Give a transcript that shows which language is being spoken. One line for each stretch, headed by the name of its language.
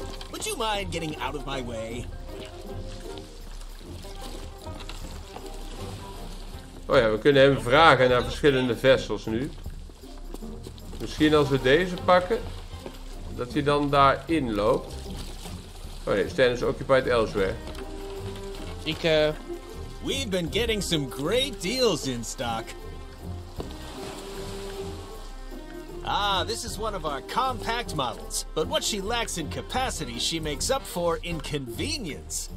English: Would you mind getting out of my way?
Dutch: Oh ja, we kunnen hem vragen naar verschillende vessels nu. Misschien als we deze pakken, dat hij dan daarin loopt. Oh nee,
English: Stan is occupied elsewhere.
Dutch: Ik
English: We've been getting some great deals in stock. Ah, this is one of our compact models. But what she lacks in capacity, she makes up for in convenience.